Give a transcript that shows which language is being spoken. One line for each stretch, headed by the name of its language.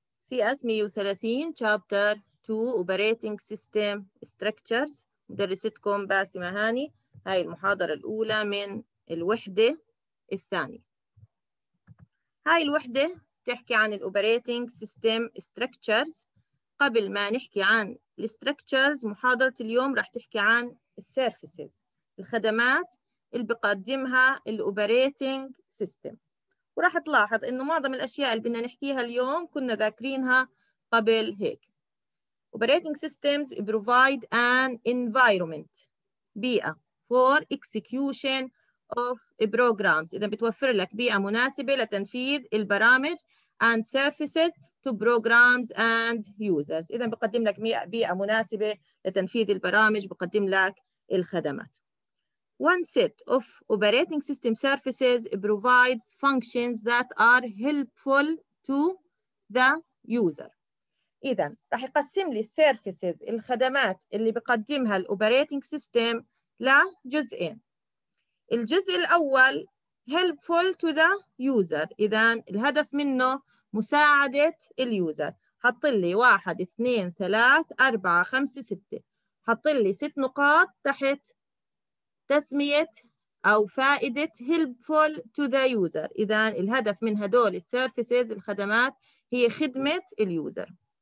English: CS 130 Chapter 2 Operating System Structures
Arabic: مدرستكم
English: باسمة هاني.
Arabic: هاي المحاضرة الأولى من الوحدة الثانية. هاي الوحدة تحكي عن Operating System Structures. قبل ما نحكي عن Structures محاضرة اليوم راح تحكي عن Services الخدمات اللي بقدمها Operating System. وراح تلاحظ انه معظم الاشياء اللي بدنا نحكيها اليوم كنا ذاكرينها قبل هيك.
English: Operating systems provide an environment بيئة for execution of programs.
Arabic: اذا بتوفر لك بيئة مناسبة لتنفيذ البرامج
English: and services to programs and users.
Arabic: اذا بقدم لك بيئة مناسبة لتنفيذ البرامج بقدم لك الخدمات.
English: One set of operating system services provides functions that are helpful to the user.
Arabic: إذا راح يقسم لي services الخدمات اللي بقدمها الـ operating system لجزئين. الجزء الأول
English: helpful to the user.
Arabic: إذا الهدف منه مساعدة الـ user. حط لي 1, 2, 3, 4, 5, 6. حط لي 6 نقاط تحت تسمية أو فائدة
English: helpful to the user.
Arabic: إذا الهدف من هدول services الخدمات هي خدمة اليوزر.